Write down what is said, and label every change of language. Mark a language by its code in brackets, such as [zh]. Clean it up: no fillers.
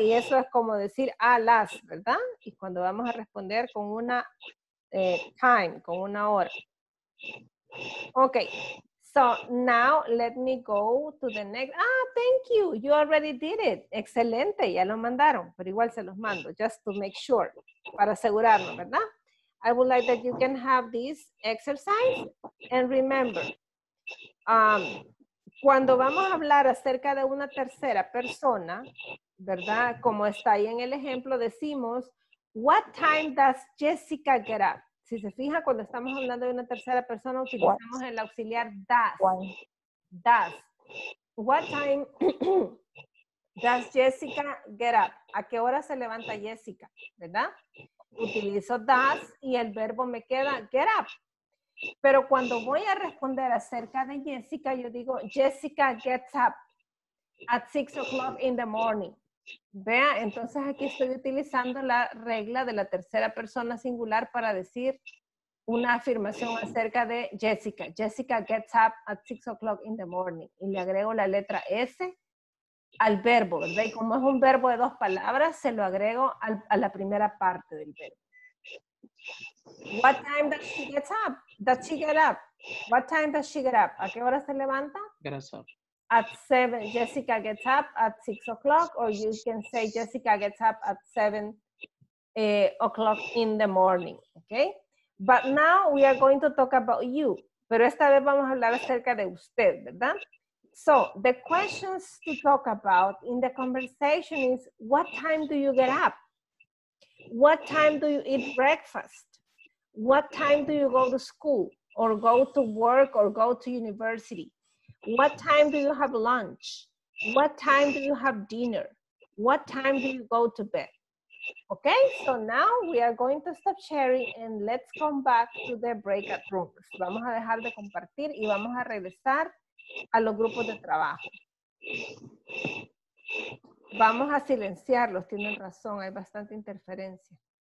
[es] Y eso es como decir a las, ¿verdad? Y cuando vamos a responder con una time, con una hora. [en] Okay, so now let me go to the next. Ah, thank you, you already did it. [es] Excelente, ya lo mandaron, pero igual se los mando, [en] just to make sure, [es] para asegurarnos, ¿verdad? [en] I would like that you can have this exercise. And remember, [es] cuando vamos a hablar acerca de una tercera persona, ¿verdad? Como está ahí en el ejemplo, decimos, what time does Jessica get up? Si se fija, cuando estamos hablando de una tercera persona, utilizamos el auxiliar does. [en] Does. What time does Jessica get up? [es] ¿A qué hora se levanta Jessica? ¿Verdad? Utilizo does y el verbo me queda get up. Pero cuando voy a responder acerca de Jessica, yo digo [en] Jessica gets up at 6 o'clock in the morning. [es] Vea, entonces aquí estoy utilizando la regla de la tercera persona singular para decir una afirmación acerca de Jessica. [en] Jessica gets up at 6 o'clock in the morning. [es] Y le agrego la letra S al verbo, ¿verdad? Y como es un verbo de dos palabras, se lo agrego a la primera parte del verbo. [en] What time does she get up? Does she get up? What time does she get up? [es] ¿A qué hora se levanta? [en] At 7. Jessica gets up at 6 o'clock, or you can say Jessica gets up at 7 o'clock in the morning, okay? But now we are going to talk about you. [es] Pero esta vez vamos a hablar acerca de usted, ¿verdad? [en] So, the questions to talk about in the conversation is, what time do you get up? What time do you eat breakfast? What time do you go to school or go to work or go to university? What time do you have lunch? What time do you have dinner? What time do you go to bed? Okay, so now we are going to stop sharing and let's come back to the breakout rooms. [es] Vamos a dejar de compartir y vamos a regresar a los grupos de trabajo. Vamos a silenciarlos, tienen razón, hay bastante interferencia.